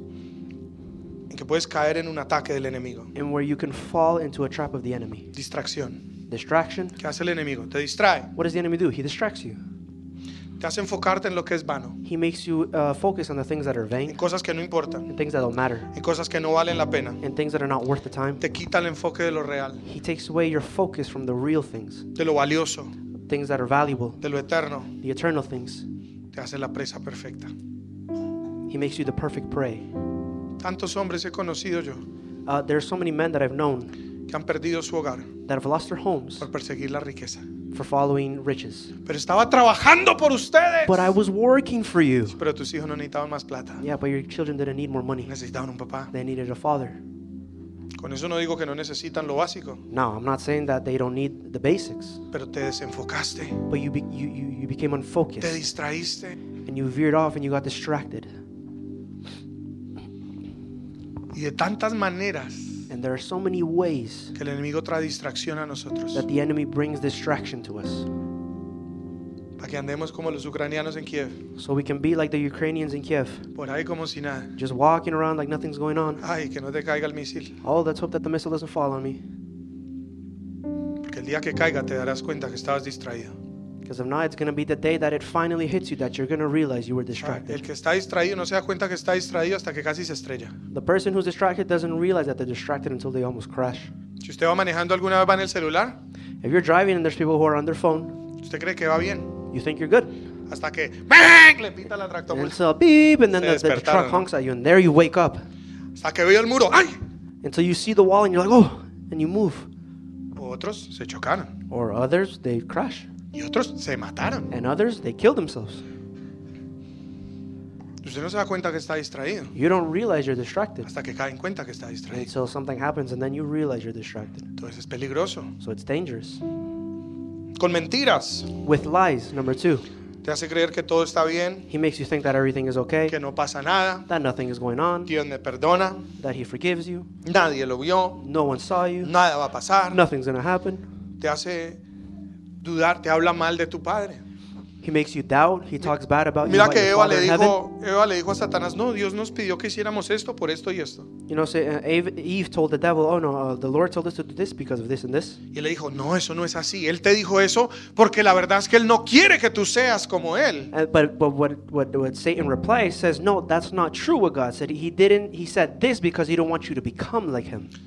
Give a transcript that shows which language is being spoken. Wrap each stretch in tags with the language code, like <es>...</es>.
<es>En que puedes caer en un ataque del enemigo.</es> <en>In where you can fall into a trap of the enemy.</en> <es>Distracción.</es> <en>Distraction.</en> <es>¿Qué hace el enemigo? Te distrae.</es> <en>What does the enemy do? He distracts you.</en> <es>Te hace enfocarte en lo que es vano.</es> <en>He makes you focus on the things that are vain.</en> <es>En cosas que no importan.</es> <en>In things that don't matter.</en> <es>En cosas que no valen la pena.</es> <en>In things that are not worth the time.</en> <es>Te quita el enfoque de lo real.</es> <en>He takes away your focus from the real things.</en> <es>De lo valioso.</es> <en>Things that are valuable.</en> <es>De lo eterno.</es> <en>The eternal things.</en> <es>Te hace la presa perfecta.</es> <en>He makes you the perfect prey.</en> <es>Tantos hombres he conocido yo.</es> <en>There are so many men that I've known.</en> <es>Que han perdido su hogar.</es> <en>That have lost their homes.</en> <es>Por perseguir la riqueza.</es> <en>For following riches.</en> <es>Pero estaba trabajando por ustedes.</es> <en>But I was working for you.</en> <es>Sí, pero tus hijos no necesitaban más plata.</es> <en>Yeah, but your children didn't need more money.</en> <es>Necesitaban un papá.</es> <en>They needed a father.</en> <es>Con eso no digo que no necesitan lo básico.</es> <en>No, I'm not saying that they don't need the basics.</en> <es>Pero te desenfocaste.</es> <en>But you became unfocused.</en> <es>Te distraíste.</es> <en>And you veered off and you got distracted.</en> <es>Y de tantas maneras.</es> <en>And there are so many ways</en> <es>que el enemigo trae distracción a nosotros.</es> <en>That the enemy brings distraction to us.</en> <es>Para que andemos como los ucranianos en Kiev.</es> <en>So we can be like the Ukrainians in Kiev.</en> <es>Por ahí como si nada.</es> <en>Just walking around like nothing's going on.</en> <es>Ay, que no te caiga el misil.</es> <en>Oh, let's hope that the missile doesn't fall on me.</en> <es>Porque el día que caiga te darás cuenta que estabas distraído.</es> <en>Because if not, it's going to be the day that it finally hits you, that you're going to realize you were distracted.</en> <es>El que está distraído no se da cuenta que está distraído hasta que casi se estrella.</es> <en>The person who's distracted doesn't realize that they're distracted until they almost crash.</en> <es>Si usted va manejando alguna vez va en el celular.</es> <en>If you're driving and there's people who are on their phone.</en> <es>Usted cree que va bien.</es> <en>You think you're good.</en> <es>Hasta que bang, le pita la tractomula.</es> <en>And it's a beep, and then the truck honks at you, and there you wake up.</en> <es>Hasta que veo el muro. Ay.</es> <en>Until you see the wall and you're like, oh, and you move.</en> <es>Otros se chocaron.</es> <en>Or others, they crash.</en> <es>Y otros se mataron.</es> <en>And others, they killed themselves.</en> <es>Usted no se da cuenta que está distraído.</es> <en>You don't realize you're distracted.</en> <es>Hasta que cae en cuenta que está distraído.</es> <en>Until something happens and then you realize you're distracted.</en> <es>Entonces es peligroso.</es> <en>So it's dangerous.</en> <es>Con mentiras.</es> <en>With lies, number two.</en> <es>Te hace creer que todo está bien.</es> <en>He makes you think that everything is okay.</en> <es>Que no pasa nada.</es> <en>That nothing is going on.</en> <es>Dios me perdona.</es> <en>That he forgives you.</en> <es>Nadie lo vio.</es> <en>No one saw you.</en> <es>Nada va a pasar.</es> <en>Nothing's going to happen.</en> <es>Te hace dudar, te habla mal de tu padre.</es> <en>He makes you doubt. He talks bad about</en> <es>mira</es> <en>you.</en> <es>Que</es> <en>about</en> <es>Eva le dijo, Eva le dijo a Satanás, no, Dios nos pidió que hiciéramos esto por esto y esto.</es> <en>You know, Eve told the devil, oh no, the Lord told us to do this because of this and this.</en> <es>Y le dijo, no, eso no es así. Él te dijo eso porque la verdad es que él no quiere que tú seas como él.</es> <en>But what Satan replies says, no, that's not true. What God said, he didn't. He said this because he don't want you to become like him.</en>